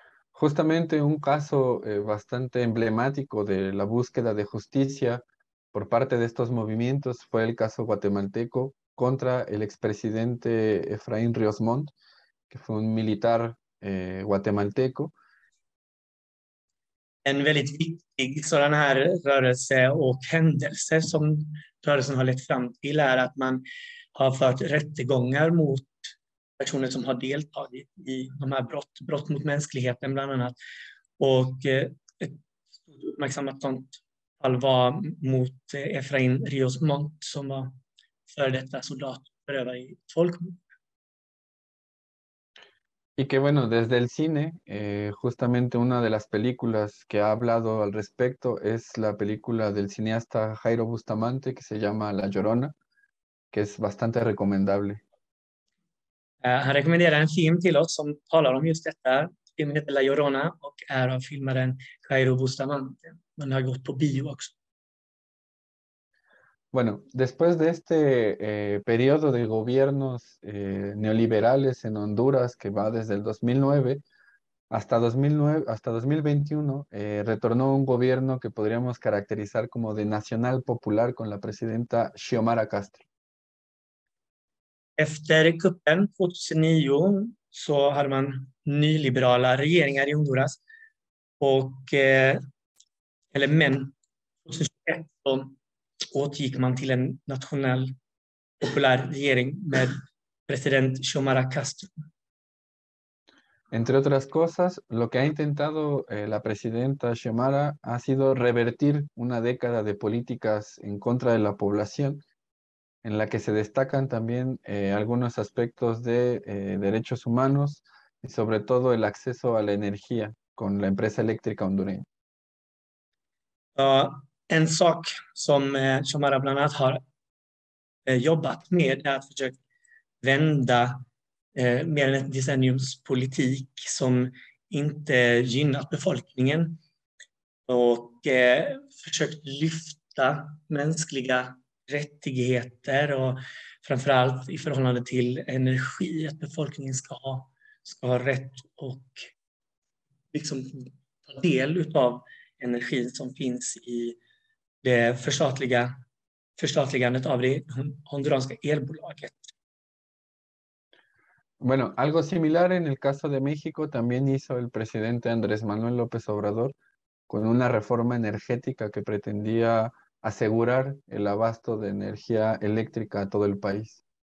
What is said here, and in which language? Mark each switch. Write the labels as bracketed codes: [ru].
[es] Justamente un caso bastante emblemático de la búsqueda de justicia por parte de estos movimientos fue el caso guatemalteco contra el expresidente Efraín Ríos Montt, que fue un militar guatemalteco. [sv] En väldigt viktig sådan här rörelse och händelse som rörelsen har lett fram till är att man har fört rättegångar mot personer som har deltagit i de här brott mot mänskligheten bland annat. Och ett uppmärksammat sådant fall var mot Efraín Ríos Montt, som var för detta soldat förövare i folkmord. [es] Y que bueno, desde el cine, justamente una de las películas que ha hablado al respecto es la película del cineasta Jairo Bustamante, que se llama La Llorona, que es bastante recomendable. [sv] Han rekommenderar en film till oss som talar om just detta. Filmen heter La Llorona och är av filmaren Jairo Bustamante. Den har gått på bio också. [es] Bueno, después de este periodo de gobiernos neoliberales en Honduras, que va desde el 2009 hasta 2009, hasta 2021, retornó un gobierno que podríamos caracterizar como de nacional popular con la presidenta Xiomara Castro. [sv] Efter kuppen 2009 så hade man nyliberala regeringar i Honduras och eller men 2021 återgick man till en nationell populär regering med president Xiomara Castro. [es] Entre otras cosas, lo que ha intentado la presidenta Xiomara ha sido revertir una década de políticas en contra de la población, en la que se destacan también algunos aspectos de derechos humanos y sobre todo el acceso a la energía con la empresa eléctrica hondureña. [sv] En sak som Xiomara bland annat har jobbat med är att försöka vända mer än ett decenniums politik som inte gynnat befolkningen och försökt lyfta mänskliga rättigheter och framförallt i förhållande till energi, att befolkningen ska ha rätt och liksom ta del av energin som finns i det förstatligandet av det honduranska elbolaget. [es] Bueno, algo similar en el caso de México también hizo el presidente Andrés Manuel López Obrador con una reforma energética que pretendía asegurar el abasto de energía eléctrica a todo el país.